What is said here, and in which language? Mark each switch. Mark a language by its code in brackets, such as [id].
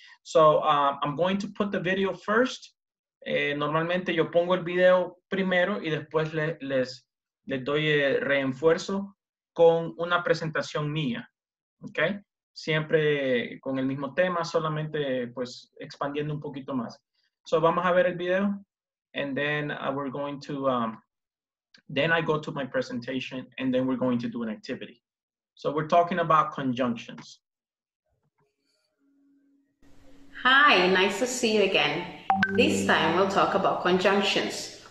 [en] So I'm going to put the video first. [es] Normalmente yo pongo el video primero y después les doy el reenfuerzo con una presentación mía, ¿ok? Siempre con el mismo tema, solamente pues expandiendo un poquito más. [en] So [es] vamos a ver el video, [en] and then we're going to, then I go to my presentation, and then we're going to do an activity. So we're talking about conjunctions. Hi, nice to see you again. This time we'll talk about conjunctions.